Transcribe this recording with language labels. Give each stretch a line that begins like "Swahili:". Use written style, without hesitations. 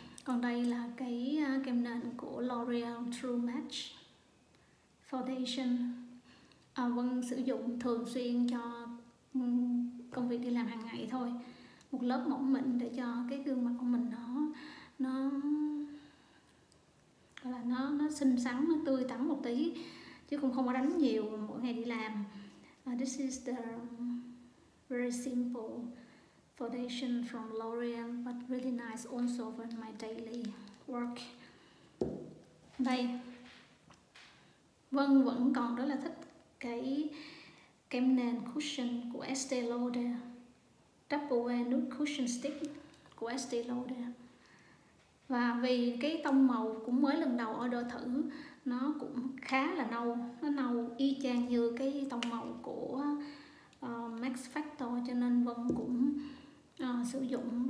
Vietnamese: Còn đây là cái kem nền của L'Oreal True Match Foundation, Vân sử dụng thường xuyên cho công việc đi làm hàng ngày thôi, một lớp mỏng mịn để cho cái gương mặt của mình nó gọi là nó xinh xắn, nó tươi tắn một tí chứ không có đánh nhiều mỗi ngày đi làm.
English: This is the very simple foundation from L'Oreal, but really nice also for my daily work.
Vietnamese: Đây, Vân vẫn còn rất là thích cái kem nền cushion của Estee Lauder, Double Wear Nude Cushion Stick của Estee Lauder. Và vì cái tông màu cũng mới lần đầu order thử, nó cũng khá là nâu, nó nâu y chang như cái tông màu của Max Factor, cho nên Vân cũng sử dụng.